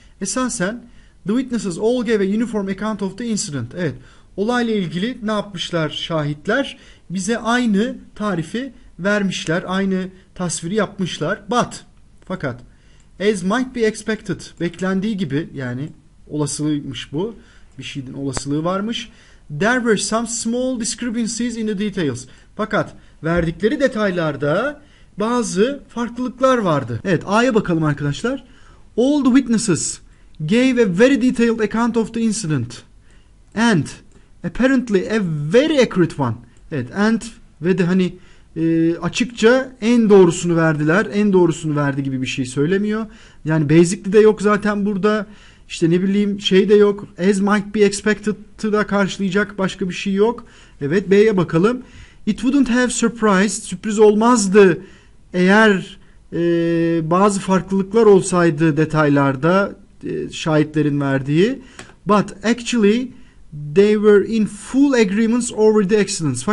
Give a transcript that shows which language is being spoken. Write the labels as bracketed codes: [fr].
[en] Esasen The Witnesses, Olga ve Uniform Account of the Incident. Evet. [tr] Olayla ilgili ne yapmışlar şahitler? Bize aynı tarifi vermişler. Aynı tasviri yapmışlar. Fakat [en] as might be expected, [tr] beklendiği gibi, yani olasılıkmış bu. Bir şeyin olasılığı varmış. [en] There were some small discrepancies in the details. [tr] Fakat verdikleri detaylarda bazı farklılıklar vardı. Evet, A'ya bakalım arkadaşlar. [en] All the witnesses gave a very detailed account of the incident. And apparently a very accurate one. [tr] Evet, and ve de hani açıkça en doğrusunu verdiler. En doğrusunu verdi gibi bir şey söylemiyor. Yani basically de yok zaten burada. İşte ne bileyim, şey de yok. As might be expected'ı da karşılayacak başka bir şey yok. Evet, B'ye bakalım. [en] It wouldn't have surprised. [tr] Sürpriz olmazdı eğer bazı farklılıklar olsaydı detaylarda şahitlerin verdiği. [en] But actually they were in full agreements over the accidents.